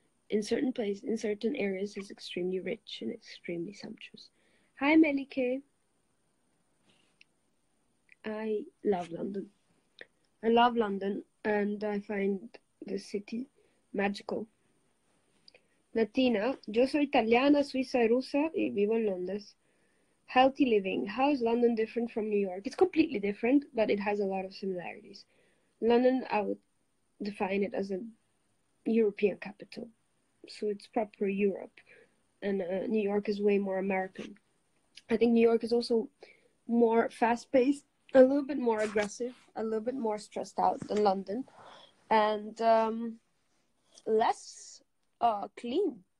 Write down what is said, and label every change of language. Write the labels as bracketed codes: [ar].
[en] In certain places, in certain areas, is extremely rich and extremely sumptuous. Hi, Melike. I love London. I love London, and I find the city magical. [es] Natina, yo soy italiana, suiza y rusa, y vivo en Londres. [en] Healthy living. How is London different from New York? It's completely different, but it has a lot of similarities. London, I would define it as a European capital. So it's proper Europe, and New York is way more American. I think New York is also more fast-paced, a little bit more aggressive, a little bit more stressed out than London, and less clean.